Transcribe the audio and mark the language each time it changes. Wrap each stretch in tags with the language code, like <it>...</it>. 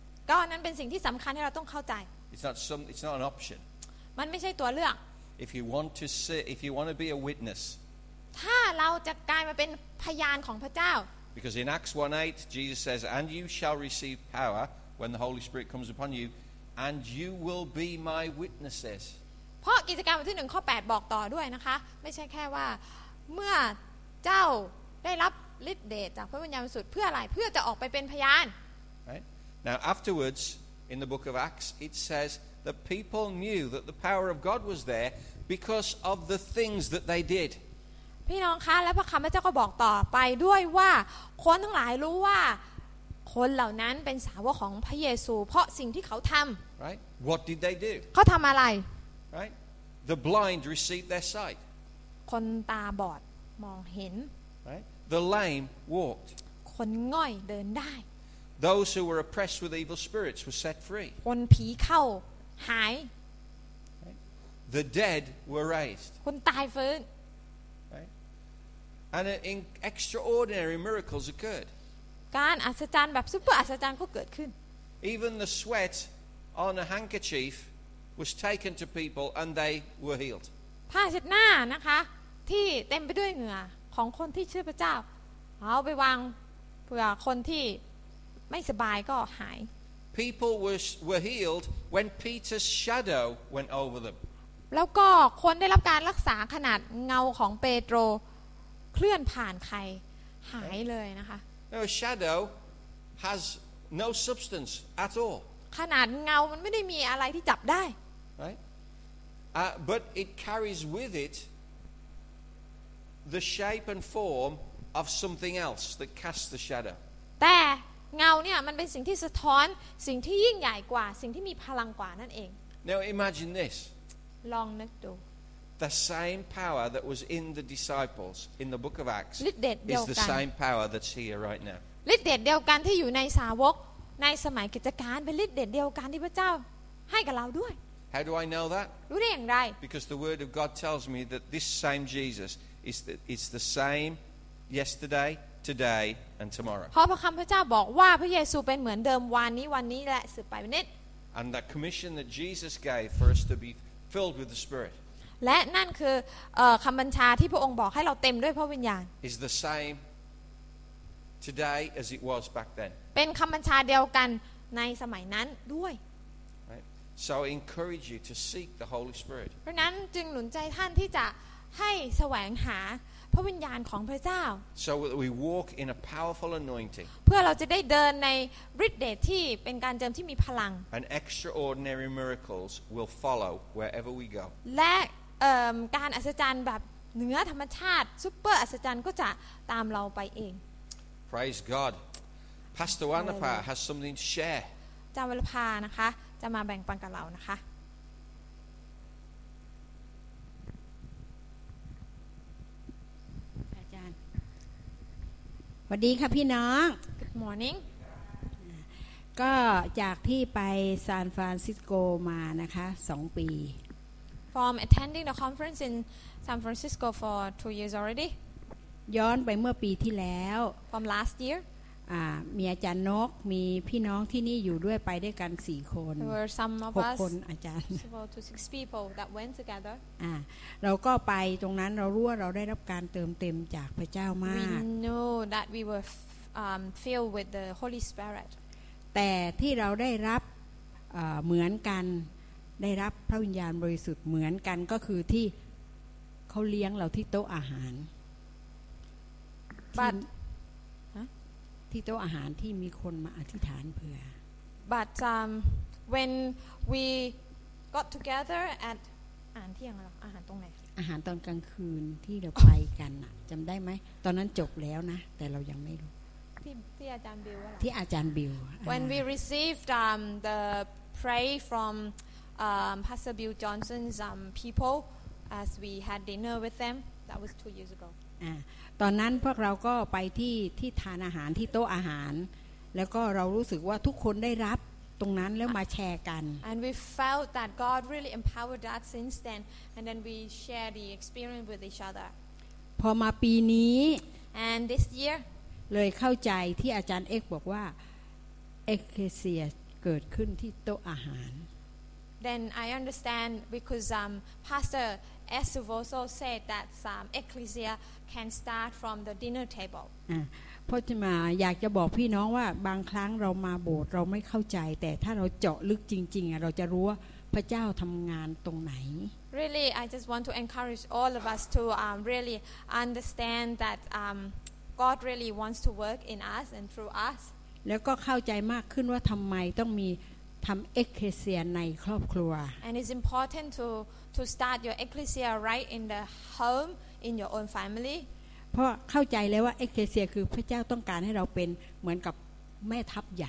<th>ก็นั้นเป็นสิ่งที่สำคัญที่เราต้องเข้าใจ</th> <en>it's not an option</en> <th>มันไม่ใช่ตัวเลือก</th> <en>if you want to be a witness</en> <th>ถ้าเราจะกลายมาเป็นพยานของพระเจ้า</th> <en>Because in Acts 1:8, Jesus says, "And you shall receive power when the Holy Spirit comes upon you, and you will be my witnesses."</en> <th>เพราะกิจการบทที่หนึ่งข้อแปดบอกต่อด้วยนะคะไม่ใช่แค่ว่าเมื่อเจ้าได้รับฤทธิ์เดชจากพระวิญญาณบริสุทธิ์เพื่ออะไรเพื่อจะออกไปเป็นพยาน</th> <en>Right. Now afterwards, in the book of Acts, it says the people knew that the power of God was there because of the things that they did.</en> <th>พี่น้องคะและพระคำพระเจ้าก็บอกต่อไปด้วยว่าคนทั้งหลายรู้ว่าคนเหล่านั้นเป็นสาวกของพระเยซูเพราะสิ่งที่เขาทำ</th> <en>Right What did they do</en> <th>เขาทำอะไร</th> <en>Right The blind received their sight</en> <th>คนตาบอดมองเห็น</th> <en>Right The lame walked</en> <th>คนง่อยเดินได้</th> <en>Those who were oppressed with evil spirits were set free</en> <th>คนผีเข้าหาย</th> <en>Right The dead were raised</en> <th>คนตายฟื้น</th> <en>And extraordinary miracles occurred.</en> <th>การอัศจรรย์แบบซุปเปอร์อัศจรรย์ก็เกิดขึ้น</th> <en>Even the sweat on a handkerchief was taken to people and they were healed.</en> <th>ผ้าเช็ดหน้านะคะที่เต็มไปด้วยเหงื่อของคนที่เชื่อพระเจ้าเอาไปวางเผื่อคนที่ไม่สบายก็หาย</th> <en>People were healed when Peter's shadow went over them.</en> <th>แล้วก็คนได้รับการรักษาขนาดเงาของเปโตรเคลื่อนผ่านใครหายเลยนะคะ</th> <en>No shadow has no substance at all</en> <th>ขนาดเงามันไม่ได้มีอะไรที่จับได้</th> <en>Right but it carries with it the shape and form of something else that casts the shadow</en> <th>แต่เงาเนี่ยมันเป็นสิ่งที่สะท้อนสิ่งที่ยิ่งใหญ่กว่าสิ่งที่มีพลังกว่านั่นเอง</th> <en>Now imagine this</en> <th>ลองนึกดู</th> <en>The same power that was in the disciples in the book of Acts is the same power that's here right now.</en> <th>ฤทธิ์เดชเดียวกันที่อยู่ในสาวกในสมัยกิจการเป็นฤทธิ์เดชเดียวกันที่พระเจ้าให้กับเราด้วย</th> <en>How do I know that?</en> <th>รู้ได้อย่างไร</th> <en>Because the word of God tells me that this same Jesus is the same yesterday, today, and tomorrow.</en> <th>เพราะพระคำพระเจ้าบอกว่าพระเยซูเป็นเหมือนเดิมวันนี้วันนี้และสืบไปวันนี้</th> <en>And that commission that Jesus gave for us to be filled with the Spirit.</en> <th>และนั่นคือคำบัญชาที่พระองค์บอกให้เราเต็มด้วยพระวิญญาณ</th> <en>Is the same today as it was back then</en> <th>เป็นคำบัญชาเดียวกันในสมัยนั้นด้วย</th> <en>Right So I encourage you to seek the Holy Spirit</en> <th>เพราะนั้นจึงหนุนใจท่านที่จะให้แสวงหาพระวิญญาณของพระเจ้า</th> <en>So we walk in a powerful anointing</en> <th>เพื่อเราจะได้เดินในฤทธิ์เดชที่เป็นการเจิมที่มีพลัง</th> <en>And extraordinary miracles will follow wherever we go</en> <th>และการอัศจรรย์แบบเหนือธรรมชาติซุปเปอร์อัศจรรย์ก็จะตามเราไปเอง</th> <en>Praise God Pastor Wanapa has something to share</en> <th>อาจารย์วรภานะคะจะมาแบ่งปันกับเรานะคะ อาจารย์สวัสดีค่ะพี่น้อง</th> <en>Good morning</en> <th>ก็จากที่ไปซานฟรานซิสโกมานะคะ2ปี</th> <en>From attending the conference in San Francisco for 2 years already.</en> <th>ย้อนไปเมื่อปีที่แล้ว</th> <en>From last year.</en> <th>มีอาจารย์นกมีพี่น้องที่นี่อยู่ด้วยไปด้วยกัน4คน</th> <en>There were some of us.</en> <th>6คนอาจารย์</th> <en>Several to 6 people that went together.</en> <th>เราก็ไปตรงนั้นเรารู้ว่าเราได้รับการเติมเต็มจากพระเจ้ามาก</th> <en>We know that we were filled with the Holy Spirit.</en> <th>แต่ที่เราได้รับเหมือนกันได้รับพระวิญญาณบริสุทธิ์เหมือนกันก็คือที่เขาเลี้ยงเราที่โต๊ะอาหารที่โต๊ะอาหารที่มีคนมาอธิษฐานเผื่อ</th> <en>but when we got together at</en> <th>อาหารเที่ยงหรออาหารตรงไหน อาหารตอนกลางคืนที่เราไปกันจำได้ไหมตอนนั้นจบแล้วนะแต่เรายังไม่รู้ที่อาจารย์บิว ที่อาจารย์บิว</th> <en>when we received the pray fromPastor Bill Johnson's people as we had dinner with them that was 2 years ago</en> <th>ตอนนั้นพวกเราก็ไปที่ทานอาหารที่โต๊ะอาหาร แล้วก็เรารู้สึกว่าทุกคนได้รับตรงนั้นแล้วมาแชร์กัน</th> <en>And we felt that God really empowered us since then and then we share the experience with each other</en> <th>พอมาปีนี้</th> <en>And this year</en> <th>เลยเข้าใจที่อาจารย์เอกบอกว่าเอกเซียเกิดขึ้นที่โต๊ะอาหาร</th> <en>Then I understand because Pastor Esav also said that ecclesia can start from the dinner table</en> <th>พ่อจะมาอยากจะบอกพี่น้องว่าบางครั้งเรามาโบสถ์เราไม่เข้าใจแต่ถ้าเราเจาะลึกจริงๆเราจะรู้ว่าพระเจ้าทำงานตรงไหน</th> <en>Really I just want to encourage all of us to really understand that God really wants to work in us and through us</en> <th>แล้วก็เข้าใจมากขึ้นว่าทำไมต้องมีทำเอกเคเซียในครอบครัว</th> <en>And it's important to start your ecclesia right in the home in your own family</en> <th>เพราะเข้าใจแล้วว่าเอกเคเซียคือพระเจ้าต้องการให้เราเป็นเหมือนกับแม่ทัพใหญ</th>